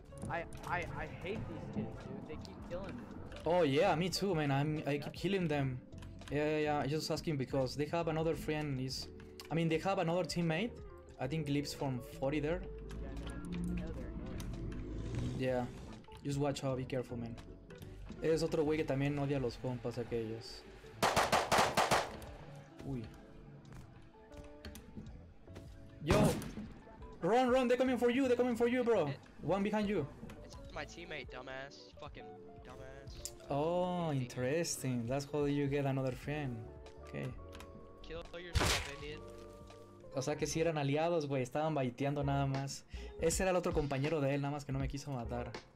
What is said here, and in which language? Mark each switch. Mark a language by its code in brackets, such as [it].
[en] I hate these kids, dude. They keep killing me. Oh yeah, me too, man. I keep killing them. Yeah. Just asking because they have another friend. They have another teammate. I think lives from 40 there. Yeah. Just watch out. Be careful, man. [es] Es otro güey que también odia los compas aquellos. Uy. [en] Yo, run, they're coming for you, bro. One behind you. It's my teammate, dumbass. Fucking dumbass. Oh, interesting. That's how you get another friend. Okay. Kill yourself, idiot. [es] O sea que sí eran aliados, güey. Estaban baiteando nada más. Ese era el otro compañero de él, nada más que no me quiso matar.